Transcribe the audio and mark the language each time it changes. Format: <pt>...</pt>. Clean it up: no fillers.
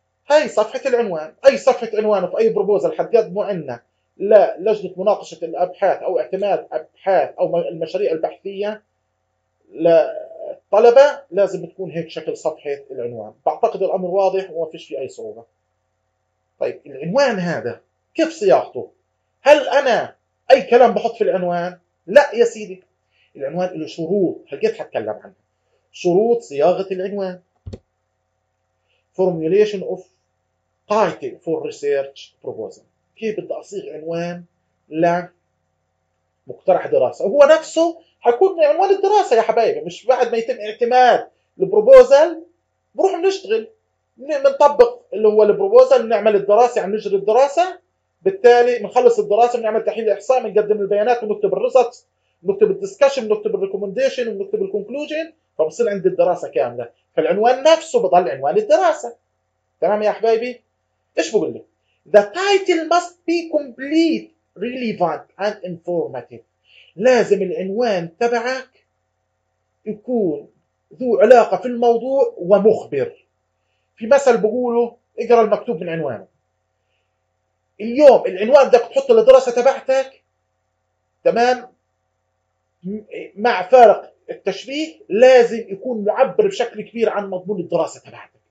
<ar>هاي صفحه العنوان، اي صفحه عنوان في اي بروبوزال حتقدمه عندنا للجنه مناقشه الابحاث او اعتماد ابحاث او المشاريع البحثيه للطلبه لازم تكون هيك شكل صفحه العنوان، بعتقد الامر واضح وما فيش فيه اي صعوبه. طيب العنوان هذا كيف صياغته؟ هل انا اي كلام بحط في العنوان؟ لا يا سيدي، العنوان له شروط، هلقيت حتكلم عنها. شروط صياغه العنوان.</ar> <en>Formulation of title for research proposal.</en> <ar>كيف بدي اصيغ عنوان لمقترح دراسه؟ وهو نفسه حيكون عنوان الدراسه يا حبايبي، مش بعد ما يتم اعتماد البروبوزل بنروح بنشتغل بنطبق اللي هو البروبوزل، بنعمل الدراسه، عم نجري الدراسه، بالتالي بنخلص الدراسه بنعمل تحليل احصاء، بنقدم البيانات، بنكتب الريزلت، نكتب الدسكشن، نكتب الريكومنديشن، ونكتب الكونكلوجن، فبصير عند الدراسه كامله، فالعنوان نفسه بضل عنوان الدراسه. تمام يا حبايبي؟ ايش بقول لك؟</ar> <en>The title must be complete, relevant and informative.</en> <ar>لازم العنوان تبعك يكون ذو علاقه في الموضوع ومخبر. في مثل بقوله اقرا المكتوب من عنوانه. اليوم العنوان بدك تحطه للدراسه تبعتك، تمام؟ مع فارق التشبيه لازم يكون معبر بشكل كبير عن مضمون الدراسة تبعتك.</ar>